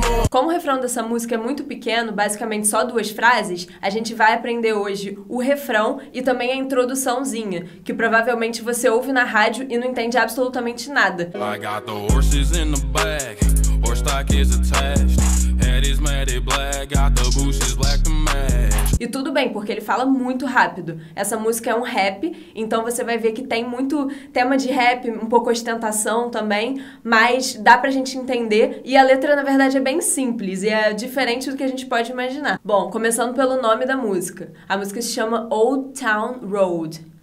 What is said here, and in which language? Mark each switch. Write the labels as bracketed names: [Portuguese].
[Portuguese] Como o refrão dessa música é muito pequeno, basicamente só duas frases, a gente vai aprender hoje o refrão e também a introduçãozinha, que provavelmente você ouve na rádio e não entende absolutamente nada. [English] I got the horses in the back, horse stock is attached, head is matte black, got the bushes black to match. [Portuguese] E tudo bem, porque ele fala muito rápido. Essa música é um rap, então você vai ver que tem muito tema de rap, um pouco ostentação também, mas dá pra gente entender. E a letra, na verdade, é bem simples e é diferente do que a gente pode imaginar. Bom, começando pelo nome da música. A música se chama Old Town Road.